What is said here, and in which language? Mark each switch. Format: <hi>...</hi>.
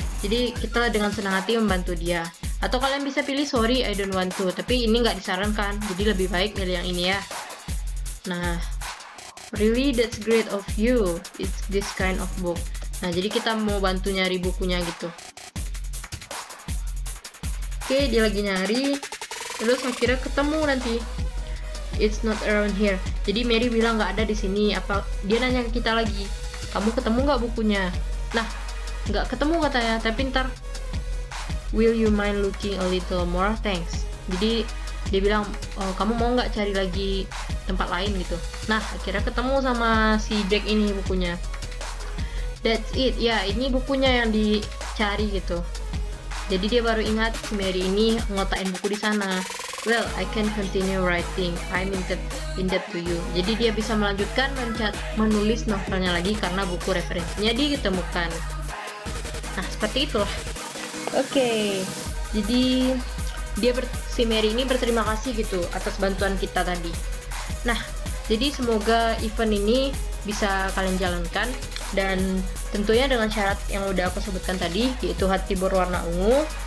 <id>Jadi kita dengan senang hati membantu dia. Atau kalian bisa pilih</id> <en>sorry I don't want to,</en> <id>tapi ini nggak disarankan. Jadi lebih baik pilih yang ini ya.</id> <en>Nah, really that's great of you. It's this kind of book.</en> <id>Nah, jadi kita mau bantu nyari bukunya gitu. Oke, dia lagi nyari. Terus akhirnya ketemu nanti.</id> <en>It's not around here.</en> <id>Jadi Mary bilang nggak ada di sini. Apa dia nanya ke kita lagi? Kamu ketemu nggak bukunya? Nah, nggak ketemu katanya. Tapi ntar.</id> <en>Will you mind looking a little more? Thanks.</en> <id>Jadi dia bilang, oh, kamu mau nggak cari lagi tempat lain gitu? Nah, akhirnya ketemu sama si Jack ini bukunya.</id> <en>That's it.</en> <id>Ya, ini bukunya yang dicari gitu. Jadi dia baru ingat si Mary ini ngotakin buku di sana.</id> <en>Well, I can continue writing. I'm indebted to you.</en> <id>Jadi dia bisa melanjutkan menulis novelnya lagi karena buku referensinya ditemukan. Nah, seperti itulah. Oke. Jadi si Mary ini berterima kasih gitu atas bantuan kita tadi. Nah, jadi semoga event ini bisa kalian jalankan dan tentunya dengan syarat yang udah aku sebutkan tadi, yaitu hati berwarna ungu.</id>